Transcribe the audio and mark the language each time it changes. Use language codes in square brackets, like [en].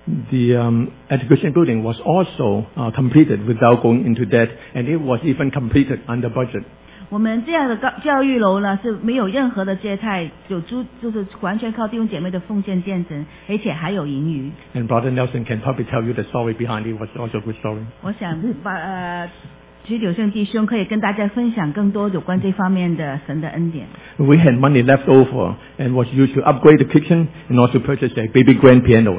[en] The education building was also completed without going into debt, and it was even completed under budget. [zh] 我们这样的教育楼呢，是没有任何的借贷，就完全靠弟兄姐妹的奉献建成，而且还有盈余。 [en] And Brother Nelson can probably tell you the story behind it, was also a good story. [zh] 我想把许久胜弟兄可以跟大家分享更多有关这方面的神的恩典。 [en] We had money left over and was used to upgrade the kitchen and also purchase a baby grand piano.